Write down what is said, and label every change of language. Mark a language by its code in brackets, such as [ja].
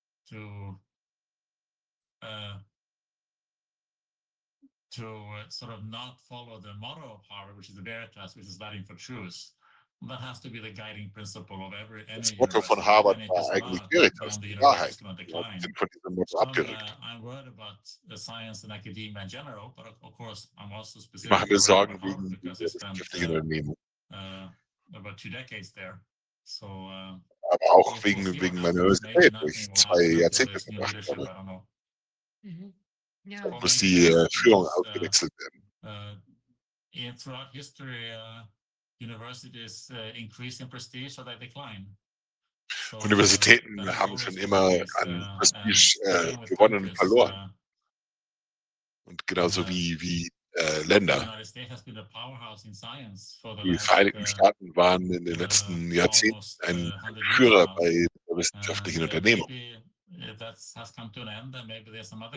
[en] To sort of not follow the motto of Harvard, which is the Veritas, which is Latin for truth. That has to be the guiding principle of every any university. [de] Das Motto von Harvard war eigentlich Veritas, Wahrheit. Wir sind von diesem Motto abgerückt. [en] I'm worried about the science and academia in general, but of course I'm also specific. [de] Ich mache mir Sorgen wegen der wirtschaftlichen Unternehmung. [en] About two decades there. So, [de] aber auch wegen meiner Universität, wo ich zwei Jahrzehnte verbracht habe. Ja. Muss die Führung ausgewechselt werden. [en] Throughout history, universities increase in prestige or they decline. [de] Universitäten haben schon immer an Prestige gewonnen und verloren. Und genauso wie Länder. Die Vereinigten Staaten waren in den letzten Jahrzehnten ein Führer bei wissenschaftlichen Unternehmungen. [en] That has come to an end, and maybe there's some other